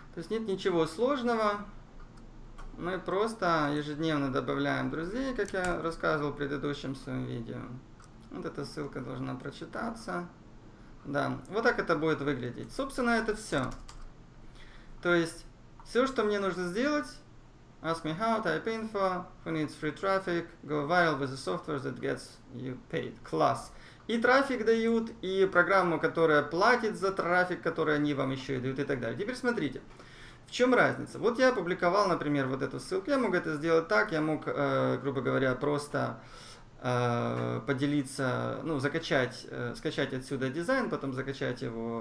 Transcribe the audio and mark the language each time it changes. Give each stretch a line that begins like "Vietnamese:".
Russian: То есть нет ничего сложного. Мы просто ежедневно добавляем друзей, как я рассказывал в предыдущем своем видео. Вот эта ссылка должна прочитаться. Да, вот так это будет выглядеть. Собственно, это все. То есть все, что мне нужно сделать...
English: Ask me how, type info, who needs free traffic, go viral with the software that gets you paid.
Russian: Класс. И трафик дают, и программу, которая платит за трафик, который они вам еще и дают, и так далее. Теперь смотрите, в чем разница. Вот я опубликовал, например, вот эту ссылку. Я мог это сделать так, я мог, грубо говоря, просто поделиться, ну, закачать, скачать отсюда дизайн, потом закачать его...